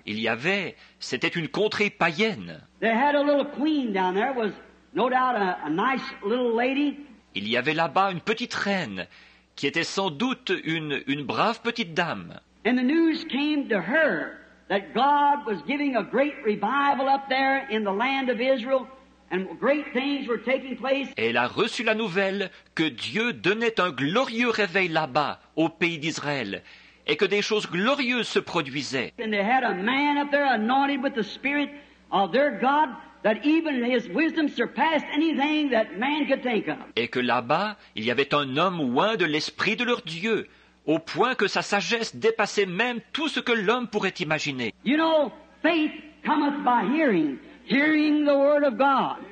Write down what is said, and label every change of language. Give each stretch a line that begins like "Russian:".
French: Il y avait, c'était une contrée païenne.
English: There had a little queen down there, was no doubt a nice little lady.
French: Il y avait là-bas une petite reine, qui était sans doute une brave petite dame.
English: And the news came to her that God was giving a great revival up there in the land of Israel, and great things were taking place.
French: Elle a reçu la nouvelle que Dieu donnait un glorieux réveil là-bas, au pays d'Israël, et que des choses glorieuses se produisaient.
English: And they had a man up there anointed with the Spirit of their God, that even his wisdom surpassed anything that man could think of.
French: Et que là-bas, il y avait un homme oint de l'Esprit de leur Dieu, au point que sa sagesse dépassait même tout ce que l'homme pourrait imaginer.
English: You know, faith cometh by hearing, hearing the word of God.